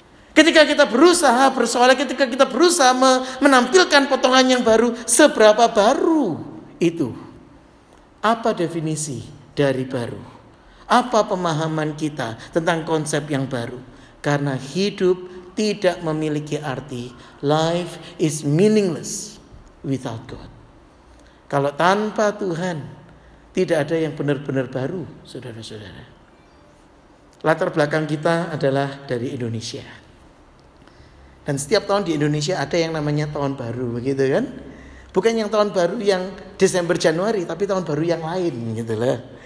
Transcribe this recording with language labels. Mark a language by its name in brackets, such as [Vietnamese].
[Indonesian] Ketika kita berusaha bersoleh, ketika kita berusaha menampilkan potongan yang baru, seberapa baru itu? Apa definisi dari baru? Apa pemahaman kita tentang konsep yang baru? Karena hidup tidak memiliki arti. [English] Life is meaningless without God. [Indonesian] Kalau tanpa Tuhan, tidak ada yang benar-benar baru, saudara-saudara. Latar belakang kita adalah dari Indonesia. Dan setiap tahun di Indonesia ada yang namanya tahun baru, begitu kan? Bukan yang tahun baru yang Desember Januari, tapi tahun baru yang lain, gitu lah.